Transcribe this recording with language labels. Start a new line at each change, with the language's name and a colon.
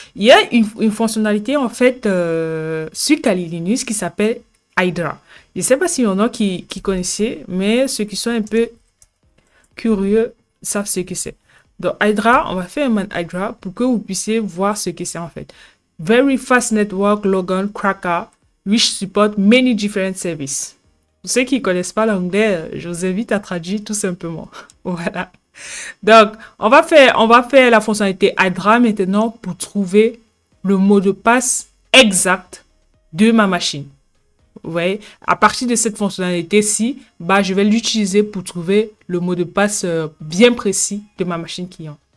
French: Il y a une fonctionnalité en fait sur Kali Linux qui s'appelle Hydra. Je ne sais pas s'il y en a qui connaissaient, mais ceux qui sont un peu curieux savent ce que c'est. Donc Hydra, on va faire un man Hydra pour que vous puissiez voir ce que c'est en fait.
English: Very fast network, Logan, Cracker, which support many different services.
French: Pour ceux qui ne connaissent pas l'anglais, je vous invite à traduire tout simplement. Voilà. Donc, on va faire la fonctionnalité Hydra maintenant pour trouver le mot de passe exact de ma machine. Vous voyez, à partir de cette fonctionnalité-ci, bah, je vais l'utiliser pour trouver le mot de passe bien précis de ma machine client.